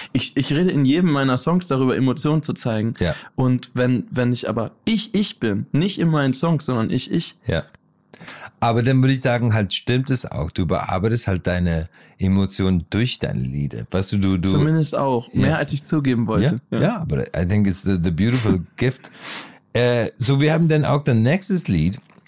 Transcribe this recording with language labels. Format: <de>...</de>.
<de>Ich rede in jedem meiner Songs darüber, Emotionen zu zeigen. Ja. Und wenn ich aber ich bin, nicht in meinen Songs, sondern ich. Ja. Aber dann würde ich sagen, halt stimmt es auch. Du bearbeitest halt deine Emotionen durch deine Lieder. Weißt du, du zumindest auch. Ja. Mehr als ich zugeben wollte. Ja, ja, aber</de> <en>I think it's the beautiful gift.</en> <de>So, wir haben dann auch das nächste Lied.</de>